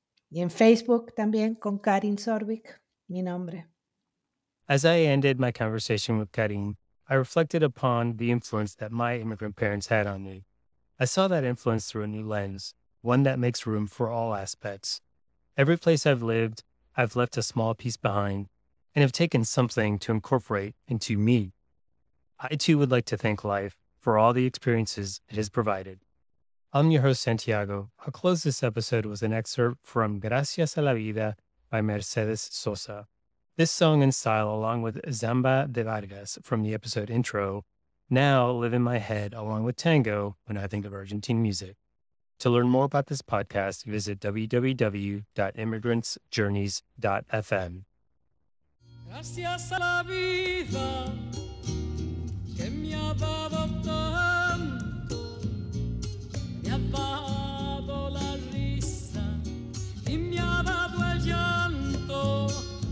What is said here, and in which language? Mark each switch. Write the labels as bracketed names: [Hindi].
[Spanish] Y en Facebook también, con Karin Zorbik, mi nombre. [English] As I ended my conversation with Karin, I reflected upon the influence that my immigrant parents had on me. I saw that influence through a new lens, one that makes room for all aspects. Every place I've lived, I've left a small piece behind and have taken something to incorporate into me. I too would like to thank life for all the experiences it has provided. I'm your host, Santiago. I'll close this episode with an excerpt from Gracias a la Vida by Mercedes Sosa. This song and style, along with Zamba de Vargas from the episode intro, now live in my head along with tango when I think of Argentine music. To learn more about this podcast, visit www.immigrantsjourneys.fm. [Spanish] Gracias a la vida que me ha dado tanto, me ha dado la risa y me ha dado el llanto.